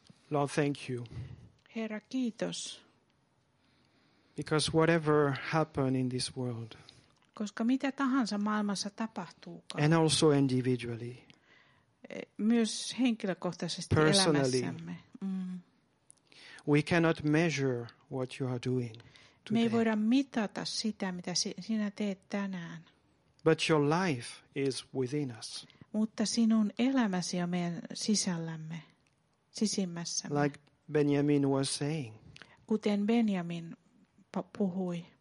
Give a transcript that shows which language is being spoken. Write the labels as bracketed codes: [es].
[en] Lord, thank you. [fi] Herra, kiitos. [en] Because whatever happen in this world. [fi] Koska mitä tahansa maailmassa tapahtuukaan. [en] And also individually. [fi] Myös henkilökohtaisesti [en] personally, [fi] elämässämme. [en] We cannot measure what you are doing today. [fi] Me ei voida mitata sitä, mitä sinä teet tänään. [en] But your life is within us. [fi] Mutta sinun elämäsi on meidän sisällämme, sisimmässämme. [en] Like Benjamin was saying. [fi] Kuten Benjamin puhui.